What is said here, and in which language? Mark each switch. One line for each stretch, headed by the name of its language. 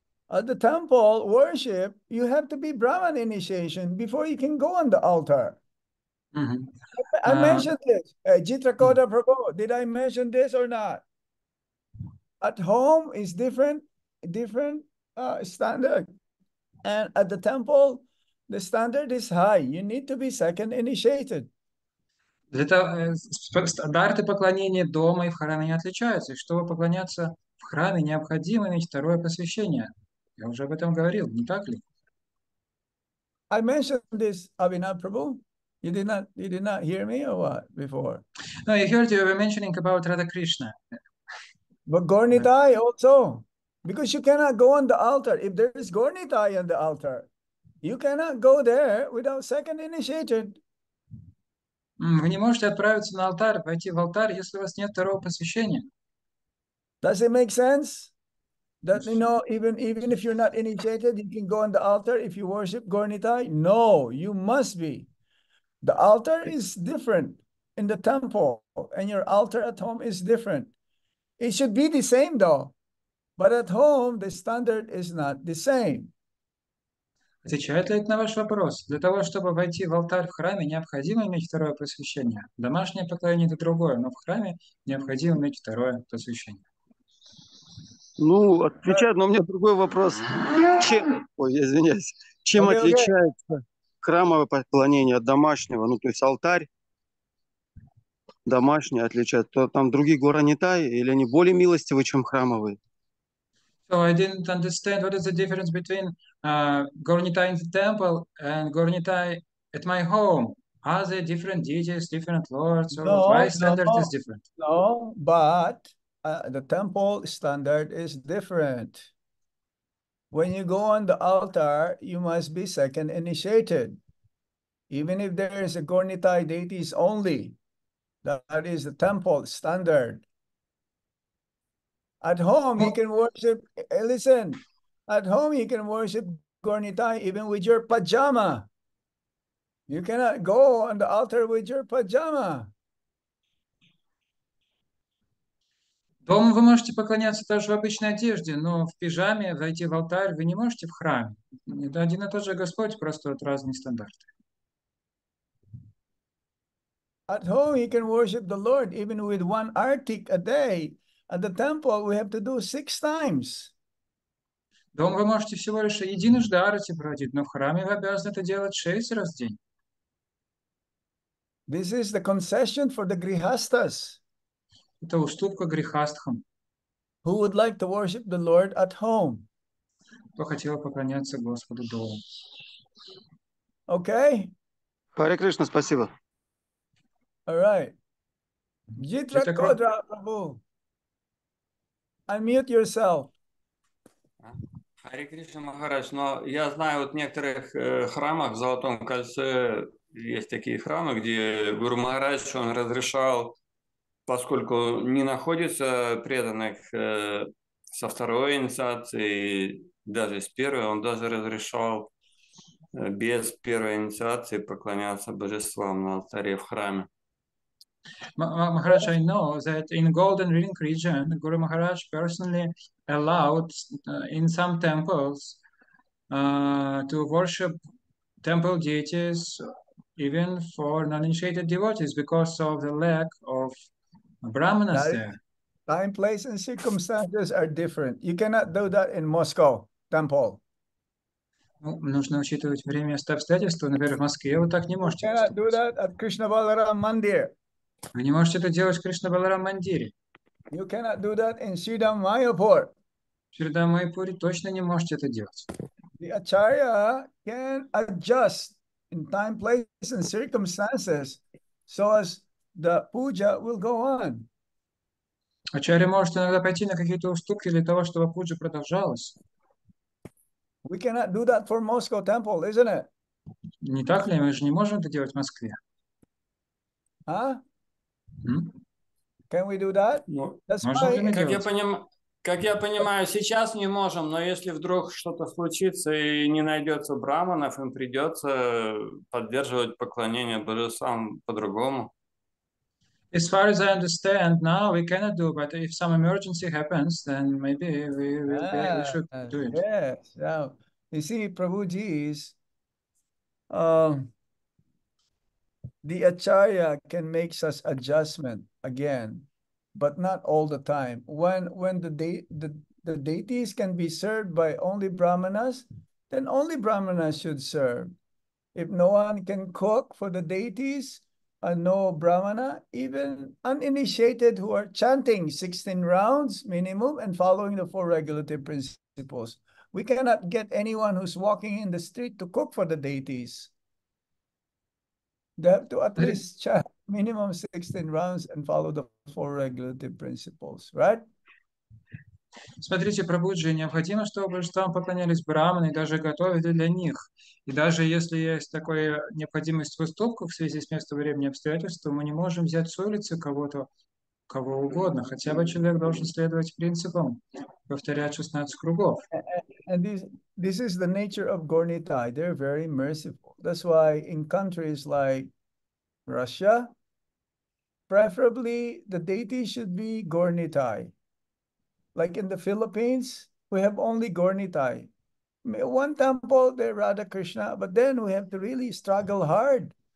English: At the temple worship, you have to be Brahman initiation before you can go on the altar. I mentioned this. Jitrakonda Prabhu, did I mention this or not? At home is different. Different standard, and at the temple The standard is high. You need to be second initiated.
Russian: Для того, стандарты поклонения дома и в храме не отличаются. Чтобы поклоняться в храме, необходимо иметь второе посвящение. Я уже об этом говорил, не так ли?
English: I mentioned this, Avinash Prabhu. You did not hear me or what before? No, I heard you were mentioning about Radha Krishna. But Gornitai also, because you cannot go on the altar. If there is Gornitai on the altar, you cannot go there without second initiated.
Russian: Вы не можете отправиться на алтарь, пойти в алтарь, если у вас нет второго посвящения.
English: Does it make sense? That you know, even if you're not initiated, you can go on the altar if you worship Gornitai? No, you must be. The altar is different in the temple, and your altar at home is different. It should be the same though, but at home the standard is not the same.
Russian: Отвечает ли это на ваш вопрос? Для того, чтобы войти в алтарь в храме, необходимо иметь второе посвящение. Домашнее поклонение – это другое, но в храме необходимо иметь второе посвящение. Ну, отвечает, но у меня другой вопрос. Ой, извиняюсь. Чем отличается храмовое поклонение от домашнего? Ну, то есть алтарь домашний отличается. То там другие горы не та, или они более милостивы, чем храмовые?
English: So I didn't understand what is the difference between Gornitai in the temple and Gornitai at my home. Are there different deities, different lords, or why No, no, standard is different? no. But the temple standard is different. When you go on the altar, you must be second initiated. Even if there is a Gornitai deities only, that is the temple standard. At home, you can worship. Listen, at home you can worship Gornitai even with your pajama. You cannot go on the altar with your pajama.
Russian: Дома вы можете поклоняться даже в обычной одежде, но в пижаме войти в алтарь вы не можете в храме. Это один и тот же Господь, просто вот разные стандарты.
English: At home, you can worship the Lord even with one arctic a day. At the temple, we have to do six times.
Russian: Дома вы можете всего лишь единожды арати проводить, но в храме вы обязаны это делать 6 раз в день.
English: This is the concession for the grihasthas
Russian: Это уступка грехастхам.
English: who would like to worship the Lord at home.
Russian: Кто хотел поклоняться Господу дома.
English: Okay.
Russian: Харе Кришна, спасибо.
English: All right. Джитра
Russian: Это кро...
English: Кодра Прабу. Unmute yourself.
Russian: Харе Кришна Махарадж, но я знаю, вот в некоторых храмах в Золотом кольце есть такие храмы, где Гуру Махарадж, он разрешал, поскольку не находится преданных со второй инициацией, даже с первой, он даже разрешал без первой инициации поклоняться божествам на алтаре в храме.
English: Maharaj, I know that in Golden Ring region, Guru Maharaj personally allowed in some temples to worship temple deities even for non-initiated devotees because of the lack of brahmanas That there. time, place, and circumstances are different. You cannot do that in Moscow temple.
Russian: Нужно учитывать время и обстоятельства. Например, в Москве вы так не
English: You
Russian: можете
English: cannot do
Russian: поступать.
English: that at Krishna Balaram Mandir.
Russian: Вы не можете это делать в Кришна Баларам Мандире.
English: You cannot do that in Sridhar Mayapur.
Russian: Среда Майпури точно не можете это делать.
English: The Acharya can adjust in time, place, and circumstances so as the puja will go on.
Russian: Ачарья может иногда пойти на какие-то уступки для того, чтобы пуджа продолжалась.
English: We cannot do that for Moscow temple, isn't it?
Russian: Не так ли? Мы же не можем это делать в Москве.
English: Huh? Can we do that?
Russian: Ну,
English: That's
Russian: можем ли
English: why
Russian: мы
English: it's
Russian: делать? Как я понимаю, сейчас не можем, но если вдруг что-то случится и не найдется браманов, им придется поддерживать поклонение божествам по-другому.
English: As far as I understand, now we cannot do, but if some emergency happens, then maybe we Ah, should do it. yes. Now, you see, Prabhuji's the Acharya can make such adjustment again, but not all the time. When the deities can be served by only Brahmanas, then only Brahmanas should serve. If no one can cook for the deities, no Brahmana, even uninitiated who are chanting 16 rounds minimum and following the four regulative principles, we cannot get anyone who's walking in the street to cook for the deities. They have to at least chant minimum 16 rounds and follow the four regulative principles, right?
Russian: Смотрите, Прабуджи, необходимо, чтобы там поклонялись брахманы и даже готовили для них. И даже если есть такая необходимость в уступках в связи с местом, времени и обстоятельствами, мы не можем взять с улицы кого-то, кого угодно. Хотя бы человек должен следовать принципам, повторять 16 кругов.
English: And this is the nature of Gornitai. They're very merciful. That's why in countries like Russia, preferably the deity should be Gornitai. Like in the Philippines, we have only Gornitai. One temple, they're Radha Krishna, but then we have to really struggle hard.